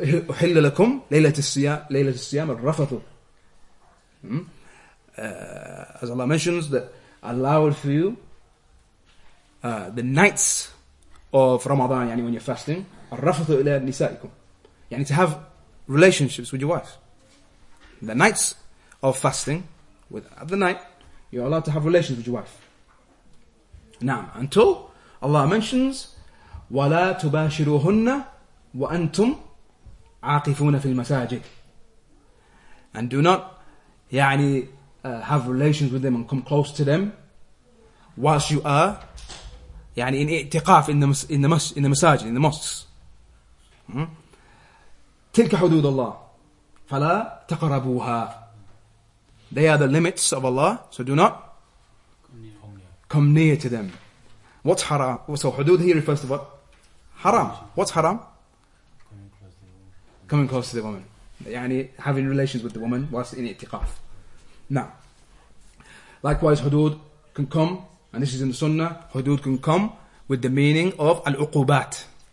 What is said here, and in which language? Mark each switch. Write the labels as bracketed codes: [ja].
[ar] أحل لكم ليلة الصيام ليلة الصيام الرفث. [en] As Allah mentions that allowed for you the nights of Ramadan, يعني when you're fasting, [ar] الرفث إلى نسائكم, [en] يعني to have relationships with your wife. The nights of fasting, with at the night, you're allowed to have relations with your wife. Now until Allah mentions [ar] ولا تباشروهن وأنتم عاقفون في المساجد. [en] And do not have relations with them and come close to them whilst you are in i'tiqaf in the masajid, in the mosques. [ar] تلك حدود الله فلا تقربوها. [en] They are the limits of Allah, so do not come near to them. What's haram? So hudud here refers to what? Haram. What's haram? Coming close to the woman. Having relations with the woman whilst in i'tiqaf. Now, likewise, hudud can come, and this is in the sunnah, hudud can come with the meaning of al-uqubat.